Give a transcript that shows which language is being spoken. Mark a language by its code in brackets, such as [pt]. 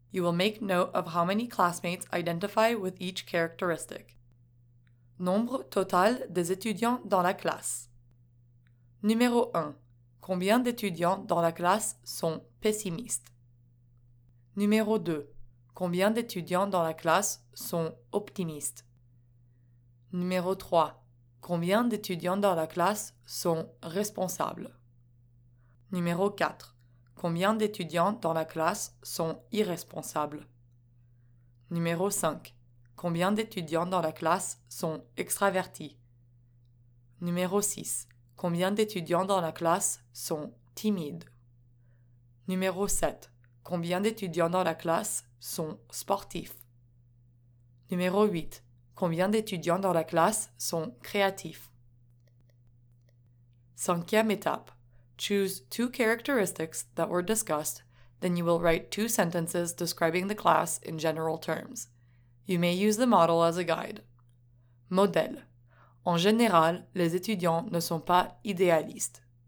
[en] You will make note of how many classmates identify with each characteristic. [fr] Nombre total des étudiants dans la classe. Numéro 1. Combien d'étudiants dans la classe sont pessimistes? Numéro 2. Combien d'étudiants dans la classe sont optimistes? Numéro 3. Combien d'étudiants dans la classe sont responsables? Numéro 4. Combien d'étudiants dans la classe sont irresponsables? Numéro 5. Combien d'étudiants dans la classe sont extravertis? Numéro 6. Combien d'étudiants dans la classe sont timides? Numéro 7. Combien d'étudiants dans la classe sont sportifs? Numéro 8. Combien d'étudiants dans la classe sont créatifs? Cinquième étape. [en] Choose two characteristics that were discussed, then you will write two sentences describing the class in general terms. You may use the model as a guide. [fr] Modèle. En général, les étudiants ne sont pas idéalistes.